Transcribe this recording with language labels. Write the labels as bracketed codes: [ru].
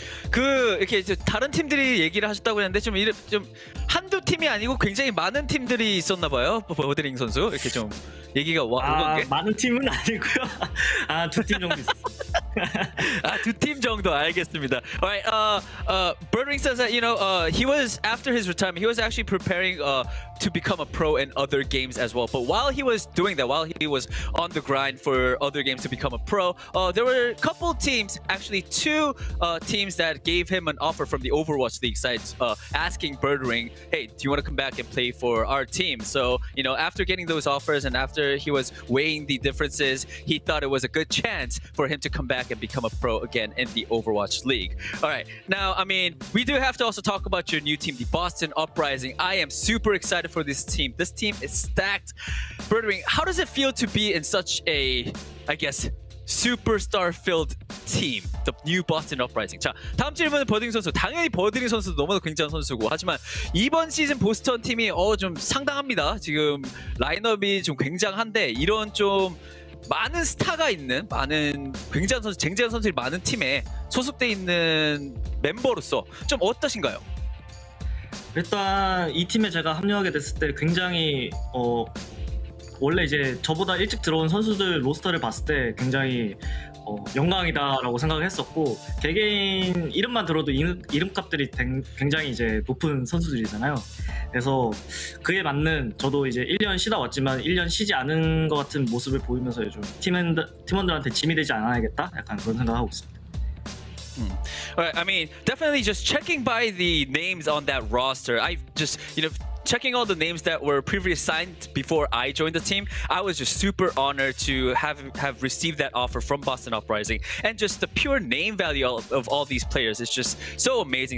[ko] 그 이렇게 이제 다른 팀들이 얘기를 하셨다고 했는데 좀 한두 팀이 아니고 굉장히 많은 팀들이 있었나 봐요. 버드링 선수 이렇게 좀 얘기가 온 게 많은 팀은 아니고요. 아, 두 팀 정도 있었어요. 아, 두 팀 정도 알겠습니다. [en] Alright, Birdring says that, you know, he was, after his retirement, he was actually preparing to become a pro in other games as well. But while he was doing that, while he was on the grind for other games to become a pro, there were a couple teams, actually two teams that gave him an offer from the Overwatch League sites asking Birdring, hey, do you want to come back and play for our team? So, you know, after getting those offers and after he was weighing the differences, he thought it was a good chance for him to come back and become a pro again in the Overwatch League. All right, now, I mean, we do have to also talk about your new team, the Boston Uprising. I am super excited for this team. This team is stacked. Birdring, how does it feel to be in such a, I guess, superstar-filled team, the new Boston Uprising? [ko] 자, 다음 질문은 버드링 선수. 당연히 버드링 선수도 너무나 굉장한 선수고 하지만 이번 시즌 보스턴 팀이 좀 상당합니다. 지금 라인업이 좀 굉장한데 이런 좀 많은 스타가 있는 많은 굉장한 선수, 쟁쟁한 선수들이 많은 팀에 소속돼 있는 멤버로서 좀 어떠신가요? 일단 이 팀에 제가 합류하게 됐을 때 굉장히 원래 이제 저보다 일찍 들어온 선수들 로스터를 봤을 때 굉장히 영광이다라고 생각을 했었고 개개인 이름만 들어도 이름값들이 굉장히 이제 높은 선수들이잖아요. 그래서 그에 맞는 저도 이제 1년 쉬다 왔지만 1년 쉬지 않은 것 같은 모습을 보이면서 요즘 팀원들한테 짐이 되지 않아야겠다 약간 그런 생각하고 있습니다. [en] All right, I mean, definitely just checking by the names on that roster, I just, you know, checking all the names that were previously signed before I joined the team, I was just super honored to have received that offer from Boston Uprising. And just the pure name value of all these players is just so amazing.